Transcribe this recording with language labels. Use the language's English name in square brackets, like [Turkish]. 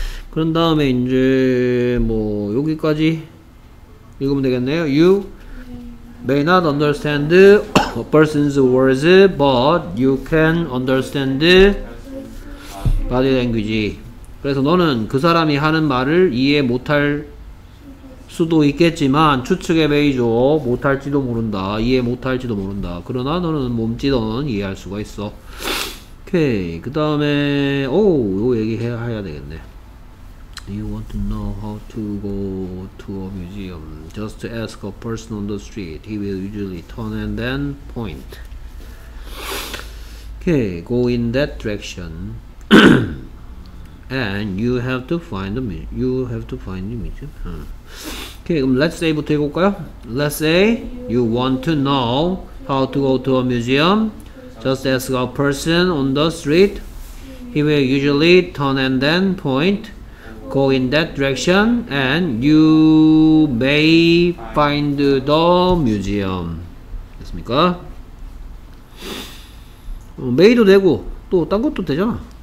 [Korean] 그런 다음에 이제 뭐 여기까지 읽으면 되겠네요. [English] You may not understand a person's words, but you can understand body language. [Korean] 그래서 너는 그 사람이 하는 말을 이해 못할 수도 있겠지만 추측에 베이죠. 못할지도 모른다. 이해 못할지도 모른다. 그러나 너는 몸짓은 이해할 수가 있어. 오케이. 그 다음에 오! 요 얘기 해야 되겠네. [English] Do you want to know how to go to a museum? Just ask a person on the street. He will usually turn and then point. Okay, go in that direction. And you have to find the museum. You have to find the museum. Okay, [Korean] 그럼 [English] let's say [Korean] 부터 해볼까요? [English] Let's say you want to know how to go to a museum. Just ask a person on the street. He will usually turn and then point. Go in that direction and you may find the museum. [Korean] 됐습니까? 메이도 되고 또 딴 것도 되잖아.